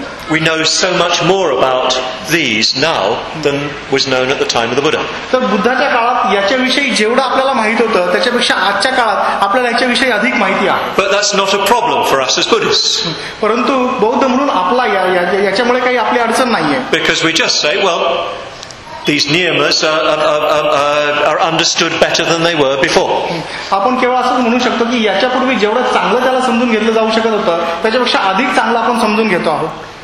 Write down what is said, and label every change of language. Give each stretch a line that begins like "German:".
English: We know so much more about these now than was known at the time of the Buddha.
Marathi: तर बुद्धाच्या काळात याच्या विषयी जेवढं आपल्याला माहित होतं त्याच्यापेक्षा आजच्या काळात आपल्याला याच्या विषयी अधिक माहिती आहे.
English: But that's not a problem for us as Buddhists.
Marathi: परंतु बौद्ध म्हणून आपला याच्यामुळे काही आपली अडचण नाहीये.
English: Because we just say well these niyamas are understood better than they were before.
Marathi: आपण केवळ असं म्हणू शकतो की याच्या पूर्वी जेवढं चांगलं त्याला समजून घेतलं जाऊ शकत होतं त्याच्यापेक्षा अधिक चांगलं आपण समजून घेतो आहोत.